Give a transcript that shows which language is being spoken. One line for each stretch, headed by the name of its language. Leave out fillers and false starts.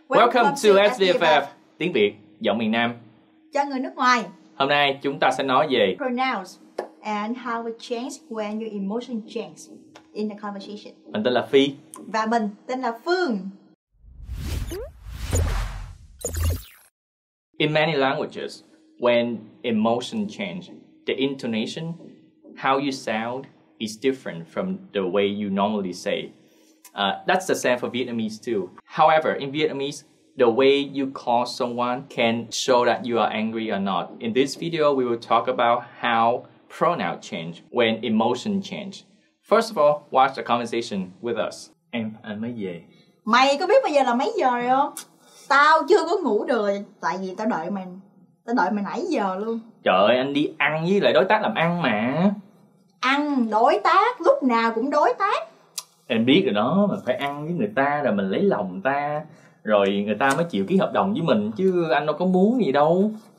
English: Welcome to
Vietnamese: Svff tiếng Việt giọng miền Nam cho người nước ngoài. Hôm nay chúng ta sẽ nói về
English: pronouns and how it changes when your emotion changes in the conversation.
Vietnamese: Mình tên là Phi và mình tên là Phương.
English: In many languages, when emotion change, the intonation, how you sound, is different from the way you normally say. That's the same for Vietnamese too. However, in Vietnamese, the way you call someone can show that you are angry or not. In this video, we will talk about how pronoun change when emotion change. First of all, watch the conversation with us.
Vietnamese: Em ăn mấy giờ? Mày có biết bây giờ là mấy giờ rồi không? Tao chưa có ngủ được, tại vì tao đợi mày nãy giờ luôn. Trời ơi, anh đi ăn với lại đối tác làm ăn mà. Ăn, đối tác, lúc nào cũng đối tác. Em biết rồi đó, mình phải ăn với người ta rồi mình lấy lòng người ta, rồi người ta mới chịu ký hợp đồng với mình chứ anh đâu có muốn gì đâu.